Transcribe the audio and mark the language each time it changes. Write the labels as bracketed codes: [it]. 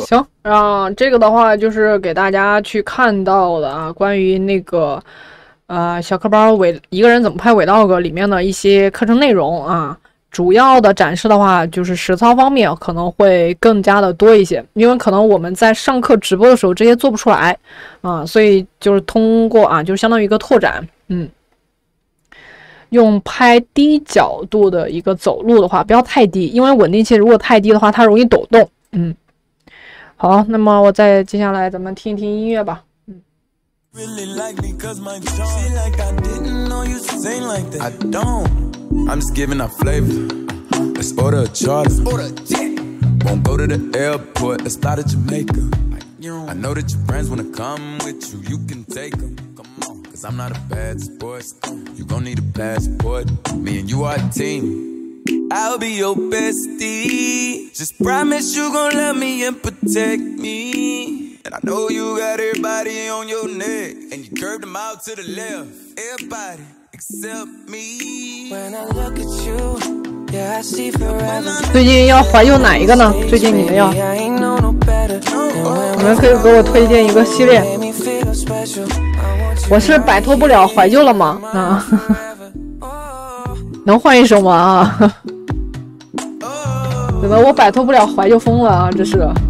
[zh] 行，这个的话就是给大家去看到的啊，关于那个小课包一个人怎么拍 vlog 里面的一些课程内容啊，主要的展示的话就是实操方面可能会更加的多一些，因为可能我们在上课直播的时候这些做不出来啊，所以就是通过啊，就相当于一个拓展，嗯，用拍低角度的一个走路的话，不要太低，因为稳定器如果太低的话它容易抖动，嗯，好，那么我再接下来咱们听一听音乐吧。 [en] Really like me 'cause my job. Feel like I didn't know you sing like that. I don't. I'm just giving up flavor. Let's order a charter. Let's order a jet. Won't go to the airport. Let's fly to Jamaica. I know that your friends wanna come with you. You can take them. Come on. 'Cause I'm not a bad sport. You gon' need a passport. Me and you are a team. I'll be your bestie. Just promise you gon' love me and protect me. And I know you got everybody on your neck, and you curved them out to the left. Everybody except me. When I look at you, yeah, I see forever. [zh] 最近要怀旧哪一个呢？最近你们要？你们可以给我推荐一个系列。我是摆脱不了怀旧了吗？啊，能换一首吗？啊，怎么我摆脱不了怀旧风了啊？这是。